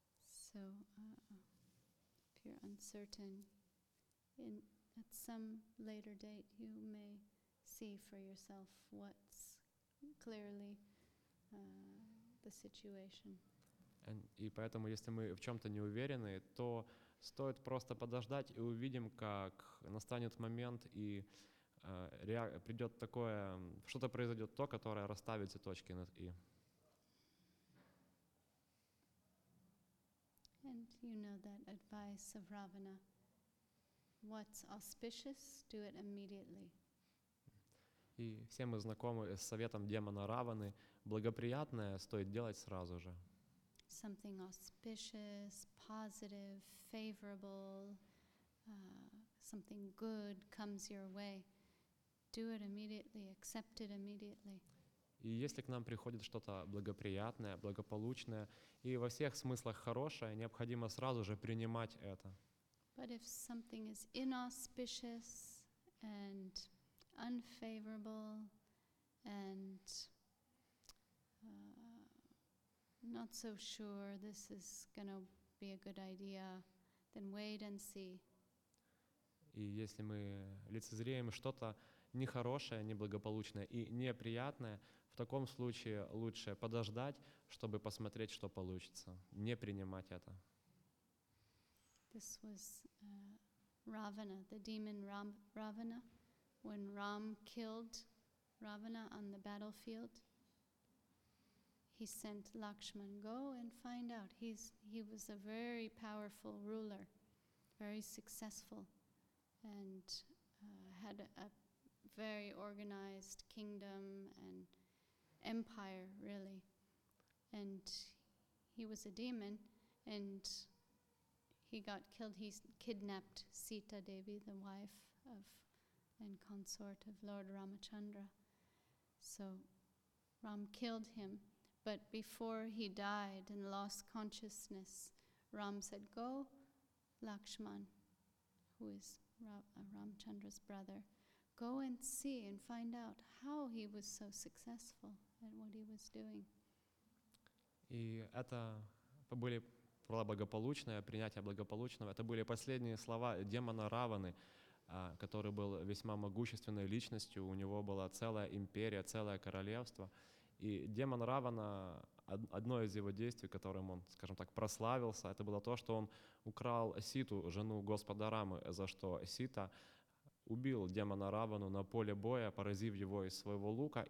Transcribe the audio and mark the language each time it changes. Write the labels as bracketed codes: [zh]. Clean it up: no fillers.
[en] So, if you're uncertain, in at some later date you may see for yourself what's clearly the situation. [ru] И поэтому, если мы в чем-то не уверены, то стоит просто подождать и увидим, как настанет момент и придет такое, что-то произойдет то, которое расставит все точки над «и». [en] And you know that advice of Ravana. What's auspicious, do it immediately. [ru] И все мы знакомы с советом демона Раваны. Благоприятное стоит делать сразу же. [en] Something auspicious, positive, favorable, something good comes your way. Do it immediately, accept it immediately. [ru] И если к нам приходит что-то благоприятное, благополучное и во всех смыслах хорошее, необходимо сразу же принимать это. [en] But if something is inauspicious and unfavorable and not so sure this is going to be a good idea, then wait and see. [ru] И если мы лицезреем что-то нехорошее, неблагополучное и неприятное, в таком случае лучше подождать, чтобы посмотреть, что получится, не принимать это. [en] This was Ravana, the demon Ravana, when Ram killed Ravana on the battlefield. He sent Lakshman, go and find out. He was a very powerful ruler, very successful, and had a very organized kingdom and empire, really. And he was a demon, and he got killed. He kidnapped Sita Devi, the wife of and consort of Lord Ramachandra. So Ram killed him. But before he died and lost consciousness, Ram said, go, Lakshman, who is Ramchandra's brother, go and see and find out how he was so successful at what he was doing. [ru] И это были благополучные, принятие благополучного. Это были последние слова демона Раваны, который был весьма могущественной личностью. У него была целая империя, целое королевство. И демон Равана, одно из его действий, которым он, скажем так, прославился, это было то, что он украл Ситу, жену господа Рамы, за что Сита убил демона Равану на поле боя, поразив его из своего лука.